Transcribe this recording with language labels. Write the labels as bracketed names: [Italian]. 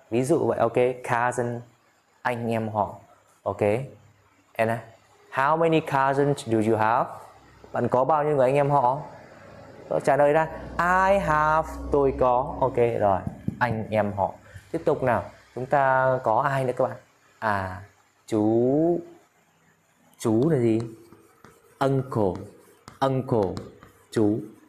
[Vietnamese] Ví dụ vậy, ok, cousin, anh em họ. [English] Ok, and how many cousins do you have? [Vietnamese] Bạn có bao nhiêu người anh em họ? Tôi trả lời ra, [English] I have, [Vietnamese] tôi có. Ok, rồi, anh em họ. Tiếp tục nào. Chúng ta có ai nữa các bạn? À, chú. Chú là gì? Uncle. Uncle. Chú.